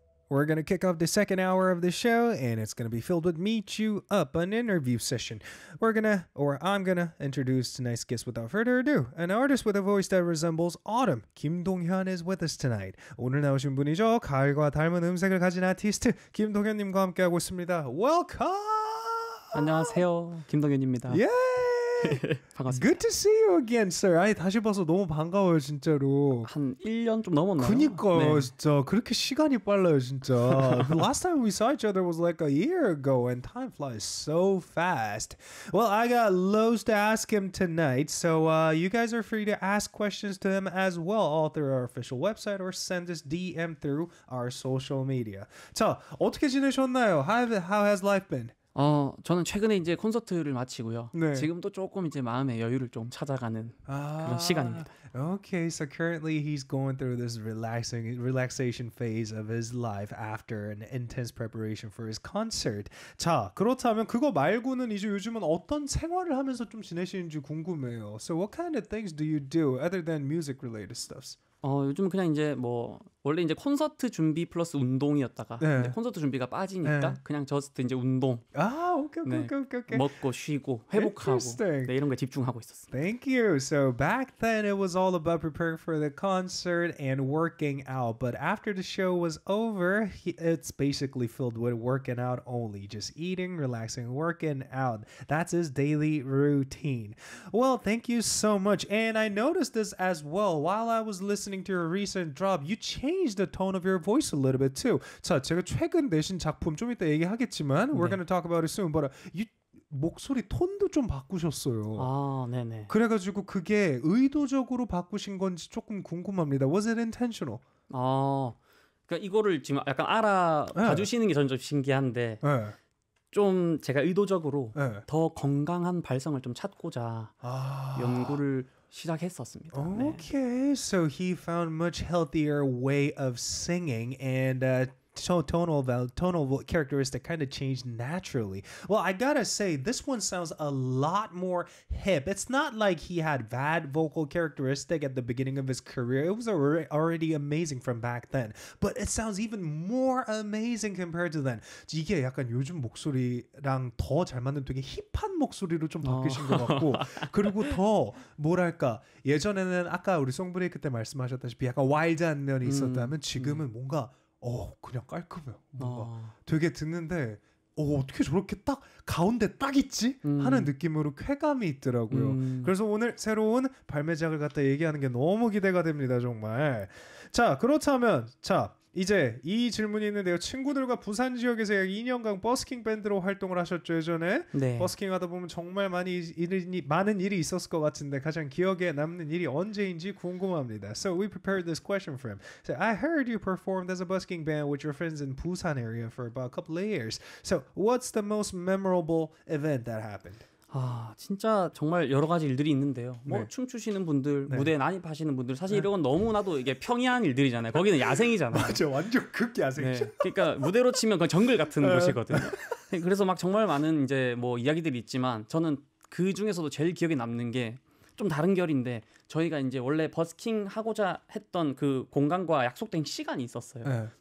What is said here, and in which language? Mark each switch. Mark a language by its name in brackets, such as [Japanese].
[English] We're going to kick off the second hour of the show, and it's going to be filled with Meet You Up, an interview session. We're going to, or I'm going to, introduce tonight's guest without further ado. An artist with a voice that resembles autumn, Kim Dong Hyun, is with us tonight. [Korean] 오늘 나오신 분이죠. 가을과 닮은 음색을 가진 아티스트, 김동현님과 함께하고 있습니다. [English] Welcome! [Korean] 안녕하세요. 김동현입니다. Yay! 반갑습니다. [English] Good to see you again, sir. [Korean] 아니, 다시 봐서 너무 반가워요, 진짜로. 한 1년 좀 넘었나요? 그니까요, 네. 진짜. 그렇게 시간이 빨라요, 진짜. [English] The last time we saw each other was like a year ago, and time flies so fast. Well, I got loads to ask him tonight, so you guys are free to ask questions to him as well, all through our official website, or send us DM through our social media. [Korean] 자, 어떻게 지내셨나요? [English] How has life been? [Korean] 저는 최근에 이제 콘서트를 마치고요. 네. 지금도 조금 이제 마음의 여유를 좀 찾아가는 그런 시간입니다. [English] Okay, so currently he's going through this relaxation phase of his life after an intense preparation for his concert. [Korean] 자, 그렇다면 그거 말고는 이제 요즘은 어떤 생활을 하면서 좀 지내시는지 궁금해요. [English] So what kind of things do you do other than music related stuffs? [Korean] 요즘 그냥 이제 뭐 원래 이제 콘서트 준비 플러스 운동이었다가 네. 근데 콘서트 준비가 빠지니까 네. 그냥 저스트 이제 운동. 아, 오케이. 먹고 쉬고 회복하고 네, 이런 거 집중하고 있었어요. [English] Thank you. So back then it was all about preparing for the concert and working out. But after the show was over, it's basically filled with working out only. Just eating, relaxing, working out. That's his daily routine. Well, thank you so much. And I noticed this as well while I was listening to your recent drop. You changed the tone of your voice a little bit too. [Korean] 자, 제가 최근 내신 작품 좀 이따 얘기하겠지만 네. [English] we're going to talk about it soon. But you [Korean] 목소리 톤도 좀 바꾸셨어요. 아, 네, 네. 그래 가지고 그게 의도적으로 바꾸신 건지 조금 궁금합니다. [English] Was it intentional? [Korean] 그러니까 이거를 지금 약간 알아봐 주시는 네. 게 좀 신기한데. 네. 좀 제가 의도적으로 네. 더 건강한 발성을 좀 찾고자 연구를 시작했었습니다. [English] Okay, 네. so he found much healthier way of singing and tonal characteristic kind of changed naturally. Well, I gotta say, this one sounds a lot more hip. It's not like he had bad vocal characteristic at the beginning of his career. It was already amazing from back then. But it sounds even more amazing compared to then. [Korean] 이게 약간 요즘 목소리랑 더 잘 맞는 되게 힙한 목소리로 좀 바뀌신 것 같고 그리고 더 뭐랄까 예전에는 아까 우리 송브레이크 때 말씀하셨다시피 약간 와일드한 면이 있었다면 지금은 뭔가 그냥 깔끔해요. 뭔가 되게 듣는데 어떻게 저렇게 딱 가운데 딱 있지? 하는 느낌으로 쾌감이 있더라고요. 그래서 오늘 새로운 발매작을 갖다 얘기하는 게 너무 기대가 됩니다, 정말. 자, 그렇다면 자, 이제 이 질문이 있는데요. 친구들과 부산 지역에서 약 2년간 버스킹 밴드로 활동을 하셨죠, 예전에? 네. 버스킹 하다 보면 정말 많은 일이 있었을 것 같은데 가장 기억에 남는 일이 언제인지 궁금합니다. [English] So we prepared this question for him. So I heard you performed as a busking band with your friends in Busan area for about a couple of years. So what's the most memorable event that happened? [Korean] 진짜 정말 여러 가지 일들이 있는데요. 뭐 네. 춤추시는 분들, 네. 무대에 난입하시는 분들 사실 네. 이런 건 너무나도 이게 평이한 일들이잖아요. 거기는 야생이잖아요. 맞아, 완전 극야생이죠. 네. 그러니까 무대로 치면 그냥 정글 같은 곳이거든요. 그래서 막 정말 많은 이제 뭐 이야기들이 있지만 저는 그 중에서도 제일 기억에 남는 게 좀 다른 결인데 저희가 이제 원래 버스킹 하고자 했던 그 공간과 약속된 시간이 있었어요. 네.